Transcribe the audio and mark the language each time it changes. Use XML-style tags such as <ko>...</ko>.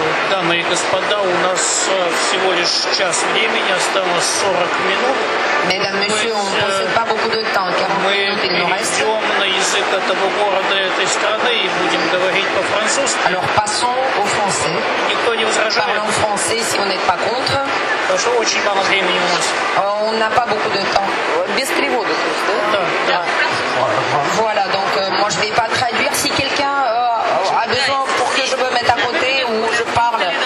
<ru>Дамы и господа, у нас всего лишь час времени, осталось 40 минут. Мы перейдем на язык этого города, этой страны и будем говорить по-французски.</ru> <fr>Alors, passons au français.</fr> <ru>Никто не возражает.</ru> <fr>Parlons français, si vous n'êtes pas contre.</fr> <ru>Потому что очень мало времени у нас.</ru> <fr>On n'a pas beaucoup de temps.</fr> <ru>Без перевода, то есть, да? Да.</ru> <fr>Voilà, donc, moi, je vais pas traduire. Si quelqu'un a besoin pour que je me mette à côté ou je parle.</fr>